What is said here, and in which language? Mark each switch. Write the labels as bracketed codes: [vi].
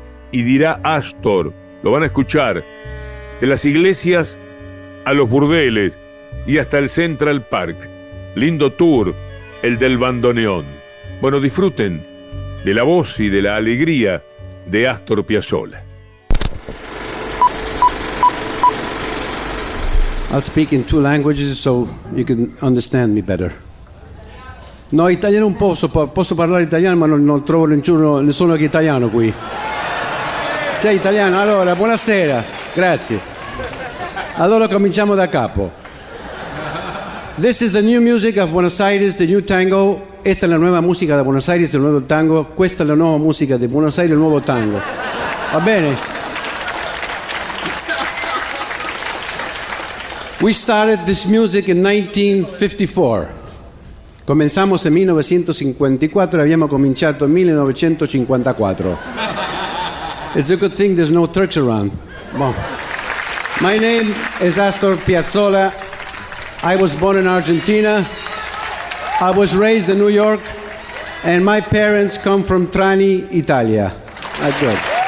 [es] Y dirá Astor, lo van a escuchar, de las iglesias a los burdeles y hasta el Central Park. Lindo tour, el del bandoneón. Bueno, disfruten de la voz y de la alegría de Astor Piazzolla. [en] I'll speak in two languages so you can understand me better. [it] No, italiano un po', posso parlare italiano, ma non trovo nessuno che italiano qui. C'è italiano, allora, buonasera, grazie. Allora cominciamo da capo. [en] This is the new music of Buenos Aires, the new tango. [es] Esta es la nueva música de Buenos Aires, el nuevo tango. [it] Questa è la nuova musica di Buenos Aires, il nuovo tango. Va bene? [en] We started this music in 1954. [es] Comenzamos en 1954, habíamos [it] cominciato [es] en 1954. [en] It's a good thing there's no Turks around. Well, my name is Astor Piazzolla. I was born in Argentina. I was raised in New York. And my parents come from Trani, Italia. That's good.